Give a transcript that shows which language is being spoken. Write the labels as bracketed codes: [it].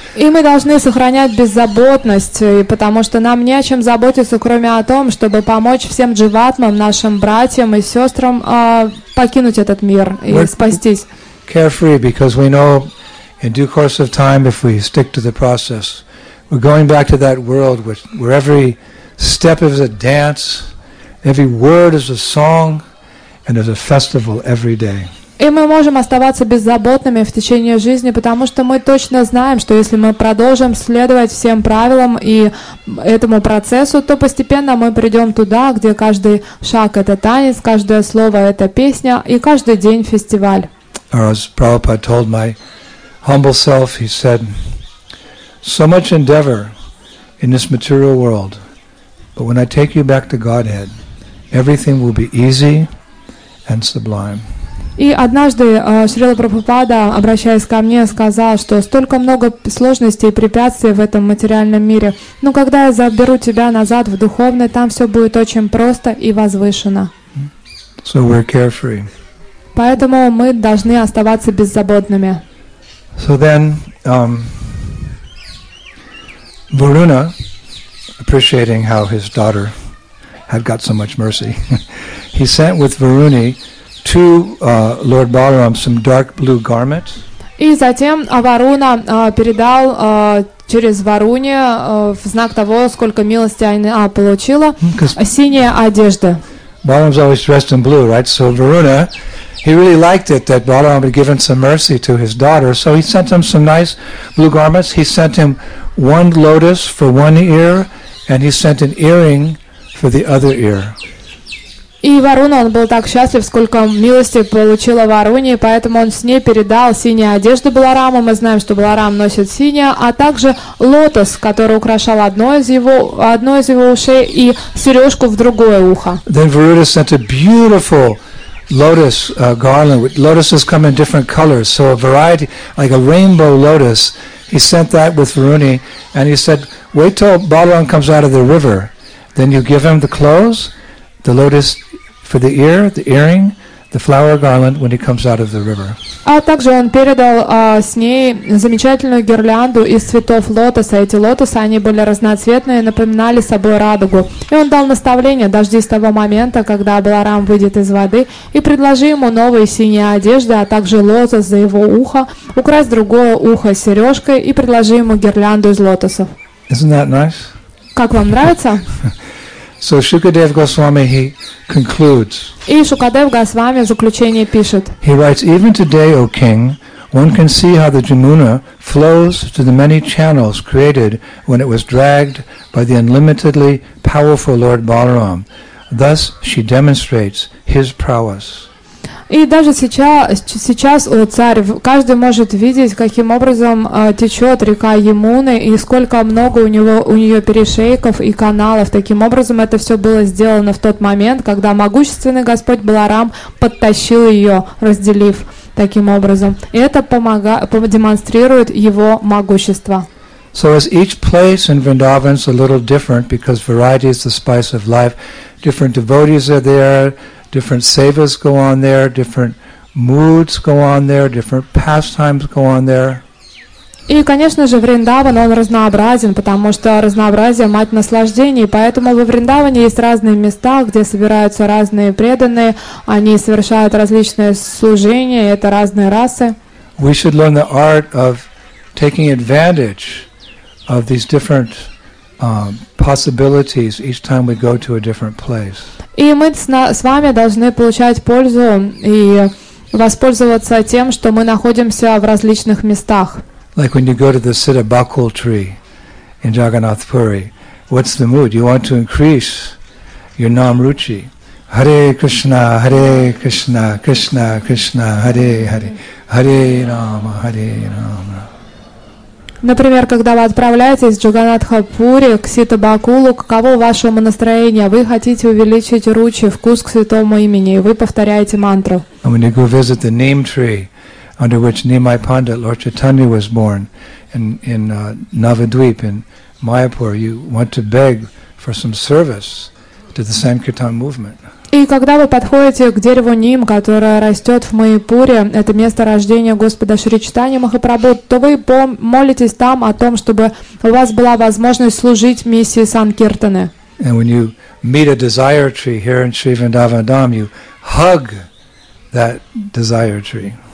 [ru] И мы должны сохранять беззаботность, потому что нам не о чем заботиться, кроме о том, чтобы помочь всем дживатмам, нашим братьям и сестрам покинуть этот мир и спастись. [en] We're carefree because we know in due course of time, if we stick to the process, we're going back to that world where every step is a dance, every word is a song, and there's a festival every day. [ru] И мы можем оставаться беззаботными в течение жизни, потому что мы точно знаем, что если мы продолжим следовать всем правилам и этому процессу, то постепенно мы придем туда, где каждый шаг — это танец, каждое слово — это песня, и каждый день — фестиваль. [en] As Prabhupada told my humble self, he said, so much endeavor in this material world, but when I take you back to Godhead, everything will be easy and sublime. [ru] И однажды Шрила Прабхупада, обращаясь ко мне, сказал, что столько много сложностей и препятствий в этом материальном мире, но когда я заберу тебя назад в духовное, там все будет очень просто и возвышено. [en] So we're carefree. [ru] Поэтому мы должны оставаться беззаботными. [en] So then, Varuna, appreciating how his daughter had got so much mercy, he sent with Varuni to Lord Balaram some dark blue garments. [ru] И затем Варуна передал через Варуни в знак того, сколько милости она получила, синие одежды. [en] Balaram's always dressed in blue, right? So Varuna, he really liked it that Balaram had given some mercy to his daughter, so he sent him some nice blue garments. He sent him one lotus for one ear, and he sent an earring for the other ear. [ru] И Варуна, он был так счастлив, сколько милости получила Варуни, поэтому он с ней передал синие одежды Баларама. Мы знаем, что Баларам носит синее, а также лотос, который украшал одно из его ушей, и сережку в другое ухо. [en] Then Varuna sent a beautiful lotus garland. Lotuses come in different colors, so a variety, like a rainbow lotus. He sent that with Varuni, and he said, "Wait till Balaram comes out of the river, then you give him the clothes." The lotus for the ear, the earring, the flower garland when he comes out of the river. [ru] А также он передал с ней замечательную гирлянду из цветов лотоса. Эти лотосы, они были разноцветные, напоминали собой радугу. И он дал наставление: дожди с того момента, когда Баларам выйдет из воды, и предложи ему новые синие одежды, а также лотос за его ухо, укрась другое ухо сережкой и предложи ему гирлянду из лотосов. [en] Isn't that nice? [ru] Как вам нравится? [en] So Shukadev Goswami, he concludes. [ru] И Шукадев Госвами в заключении пишет. [en] He writes, even today, O King, one can see how the Jamuna flows to the many channels created when it was dragged by the unlimitedly powerful Lord Balaram. Thus she demonstrates his prowess. [ru] И даже сейчас царь, каждый может видеть, каким образом течет река Ямуны и сколько много у нее перешейков и каналов. Таким образом, это все было сделано в тот момент, когда могущественный Господь Баларам подтащил ее, разделив таким образом. И это демонстрирует его могущество. [en] So as each place in Vrindavan is a little different, because variety is the spice of life, different devotees are there. Different sevas go on there, different moods go on there, different pastimes go on there. [ru] И, конечно же, Вриндаван, он разнообразен, потому что разнообразие – мать наслаждений. Поэтому во Вриндаване есть разные места, где собираются разные преданные, они совершают различные служения, это разные расы. [en] We should learn the art of taking advantage of these different possibilities each time we go to a different place. [ru] И мы с вами должны получать пользу и воспользоваться тем, что мы находимся в различных местах. [en] Like when you go to the Siddhabakul tree in Jagannath Puri, what's the mood? You want to increase your Namruchi. Hare Krishna, Krishna, Krishna, Hare Hare, Hare Rama, Hare Rama. [ru] Например, когда вы отправляетесь в Джаганнатхапури, к Ситабакулу, каково ваше настроение? Вы хотите увеличить ручи, вкус к святому имени, и вы повторяете мантру. [en] And when you go visit the neem tree, under which Nimai Pandit, Lord Chaitanya, was born, in Navadvip, in Mayapur, you want to beg for some service to the Sankirtan movement. [ru] И когда вы подходите к дереву Ним, которое растет в Майяпуре, это место рождения Господа Шри Чайтаньи Махапрабху, то вы молитесь там о том, чтобы у вас была возможность служить миссии Санкиртаны. [en] And when you meet a desire tree here in Sri Vrindavan Dham, you hug that desire tree.